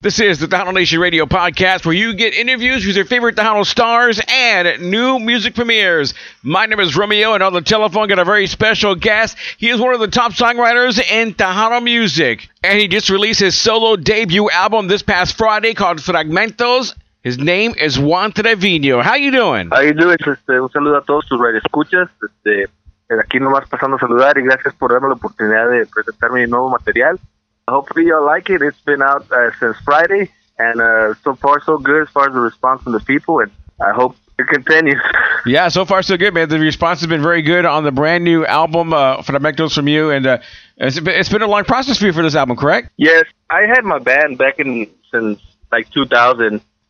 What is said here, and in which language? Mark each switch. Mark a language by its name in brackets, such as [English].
[English] This is the Donald Nation Radio Podcast, where you get interviews with your favorite Donald stars and new music premieres. My name is Romeo, and on the telephone, got a very special guest. He is one of the top songwriters in Tejano music, and he just released his solo debut album this past Friday called Fragmentos. His name is Juan Treviño. How you doing? How you doing? [Spanish] Un saludo a todos tus radioescuchas. Aquí nomás pasando a saludar, y gracias por darme la oportunidad de presentar mi nuevo material. [English] Hopefully y'all like it. It's been out since Friday, and so far so good as far as the response from the people, and I hope it continues. Yeah, so far so good, man. The response has been very good on the brand new album, Fragmentos, from you, and it's been a long process for you for this album, correct? Yes, I had my band back in since like 2000.